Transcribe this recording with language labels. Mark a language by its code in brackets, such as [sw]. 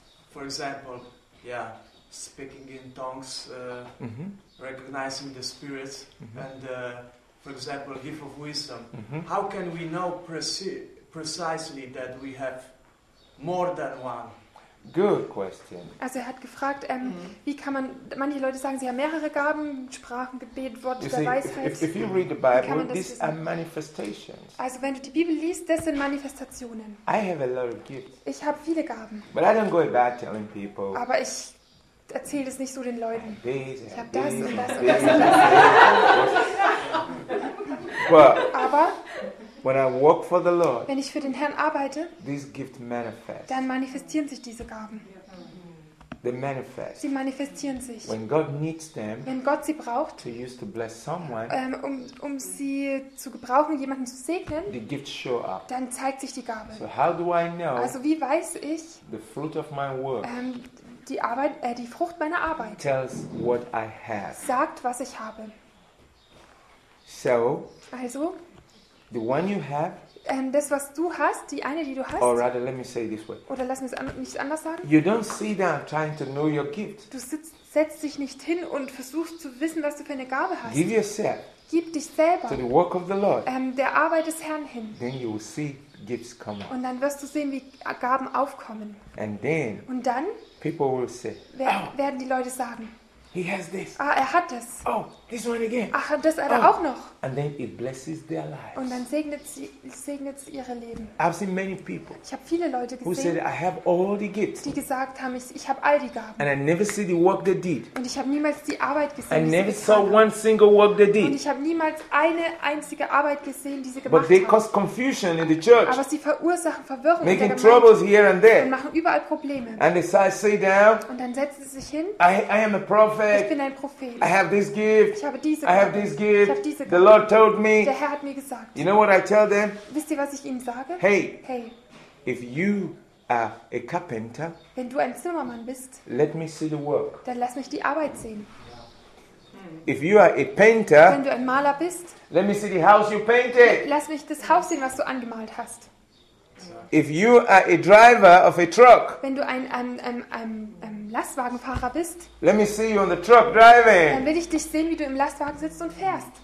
[en] For example, yeah, speaking in tongues, recognizing the spirits, and for example, gift of wisdom. Mm-hmm. How can we know precisely that we have more than one? Good question. [de] Also er hat gefragt, wie kann man, manche Leute sagen, sie haben mehrere Gaben, Sprachen, Gebet, Worte der Weisheit. [en] If you read the Bible, these are manifestations. [de] Also wenn du die Bibel liest, das sind Manifestationen. [en] I have a lot of gifts. [de] Ich habe viele Gaben. [en] But I don't go about telling people. [de] Aber ich erzähle es nicht so den Leuten. [en] This, [de] ich habe das und das und das und das. Aber [en] when I work for the Lord, [de] wenn ich für den Herrn arbeite, [en] this gift manifests. [de] Dann manifestieren sich diese Gaben. [en] They manifest. [de] Sie manifestieren sich. [en] When God needs them, [de] wenn Gott sie braucht, [en] to use to bless someone, [de] um sie zu gebrauchen, jemanden zu segnen, [en] the gift show up. [de] Dann zeigt sich die Gabe. [en] So how do I know, [de] also wie weiß ich, [en] the fruit of my work, [de] die Frucht meiner Arbeit [en] tells what I have. [de] Sagt, was ich habe. [en] So, [de] also, [en] the one you have, [de] das, was du hast, die eine, die du hast, [en] or rather, let me say this way, [de] oder lass mich nicht anders sagen, [en] you don't sit down trying to know your gift. [de] Du setzt dich nicht hin und versuchst zu wissen, was du für eine Gabe hast. [en] Give yourself, [de] gib dich selber [en] to the work of the Lord, [de] der Arbeit des Herrn hin. [en] Then you will see gifts come [de] und dann wirst du sehen, wie Gaben aufkommen. [en] And then, [de] und dann [en] people will say, [de] werden die Leute sagen, [en] He has this. [de] Ah, er hat das. [en] Oh, this one again. [de] Ach, das hat er auch noch. [en] And then it blesses their lives. [de] Und dann segnet es ihre Leben. [en] I've seen many people. [de] Ich habe viele Leute gesehen. [en] Who said I have all the gifts. [de] Die gesagt haben, ich habe all die Gaben. [en] And I never see the work they did. [de] Und ich habe niemals die Arbeit gesehen. [en] I never saw one single work they did. [de] Und ich habe niemals eine einzige Arbeit gesehen, die sie gemacht haben. [en] But they cause confusion in the church. [de] Aber sie verursachen Verwirrung. [en] Making troubles here and there. [de] Und machen überall Probleme. [en] And they say, sit down. [de] Und dann setzen sie sich hin. [en] I am a prophet. [de] Ich bin ein Prophet. [en] I have this gift. [de] Ich habe diese Gabe. [en] I have this gift. [de] Ich habe diese Gabe. [en] The Lord told me. [de] Der Herr hat mir gesagt. [en] You know what I tell them? [de] Wisst ihr, was ich ihnen sage? [en] Hey. [de] Hey. [en] If you are a carpenter, [de] wenn du ein Zimmermann bist, [en] let me see the work. [de] Dann lass mich die Arbeit sehen. [en] If you are a painter, [de] wenn du ein Maler bist, [en] let me see the house you painted. [de] Lass mich das Haus sehen, was du angemalt hast. [en] If you are a driver of a truck, [de] wenn du ein Lastwagenfahrer bist, [en] let me see you on the truck driving. [de] Dann will ich dich sehen, wie du im Lastwagen sitzt und fährst.